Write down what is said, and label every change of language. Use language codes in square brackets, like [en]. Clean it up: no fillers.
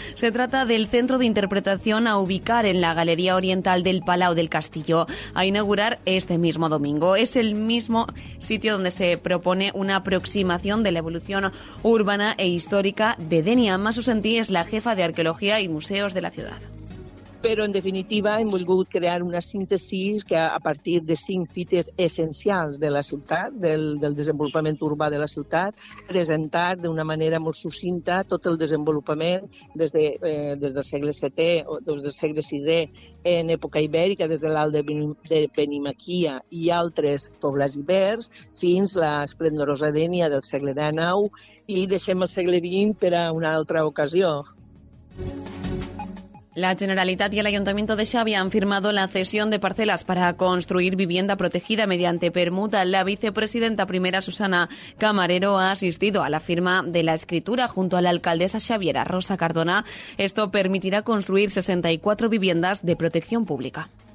[es] Se trata del centro de interpretación a ubicar en la Galería Oriental del Palau del Castillo, a inaugurar este mismo domingo. Es el mismo sitio donde se propone una aproximación de la evolución urbana e histórica de Denia. Masu Sentí es la jefa de Arqueología y Museos de la ciudad. [ca] Però, en definitiva, hem volgut crear una síntesi que, a partir de cinc fites essencials de la ciutat, del desenvolupament urbà de la ciutat, presentar d'una manera molt succinta tot el desenvolupament des del segle VII o des del segle VI en època ibèrica, des de l'alt de Benimaquia i altres pobles ibers, fins a l'esplendorosa Dènia del segle XIX, i deixem el segle XX per a una altra ocasió. [es] La Generalitat i el Ayuntamiento de Xavia han firmado la cesión de parcelas para construir vivienda protegida mediante permuta. La vicepresidenta primera, Susana Camarero, ha asistido a la firma de la escritura junto a la alcaldesa xaviera, Rosa Cardona. Esto permitirá construir 64 viviendas de protección pública.